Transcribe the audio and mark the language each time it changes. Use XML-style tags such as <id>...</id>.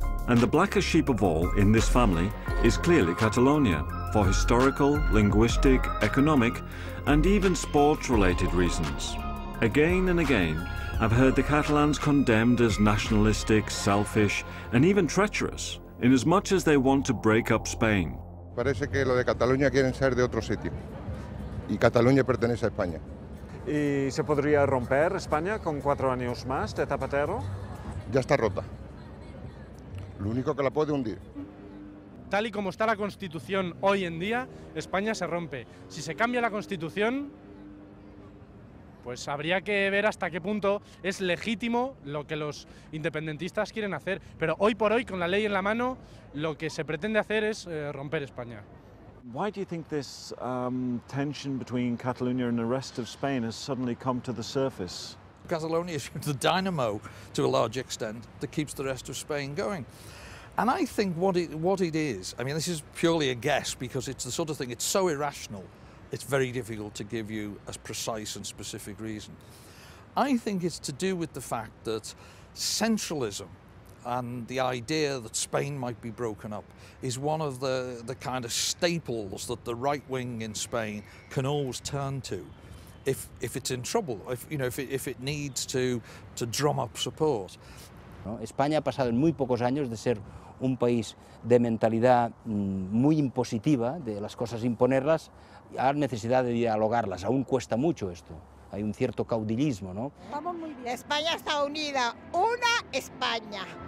<en>And the blackest sheep of all in this family is clearly Catalonia, for historical, linguistic, economic, and even sports-related reasons. Again and again, I've heard the Catalans condemned as nationalistic, selfish, and even treacherous, in as much as they want to break up Spain.</en> <es>Parece que lo de Cataluña quieren ser de otro sitio, y Cataluña pertenece a España. ¿Y se podría romper España con 4 años más de Zapatero? Ya está rota. Lo único que la puede hundir. Tal y como está la Constitución hoy en día, España se rompe. Si se cambia la Constitución, pues habría que ver hasta qué punto es legítimo lo que los independentistas quieren hacer. Pero hoy por hoy, con la ley en la mano, lo que se pretende hacer es romper España.</es> <en>Why do you think this tension between Catalonia and the rest of Spain has suddenly come to the surface? Catalonia is the dynamo, to a large extent, that keeps the rest of Spain going. And I think what it is, I mean, this is purely a guess, because it's the sort of thing, it's so irrational, it's very difficult to give you a precise and specific reason. I think it's to do with the fact that centralism and the idea that Spain might be broken up is one of the kind of staples that the right wing in Spain can always turn to if it's in trouble, if it needs to drum up support.</en> <es>España ha pasado en muy pocos años de ser un país de mentalidad muy impositiva, de las cosas imponerlas, a la necesidad de dialogarlas. Aún cuesta mucho esto. Hay un cierto caudillismo, ¿no? Vamos muy bien. España está unida. Una España.</es>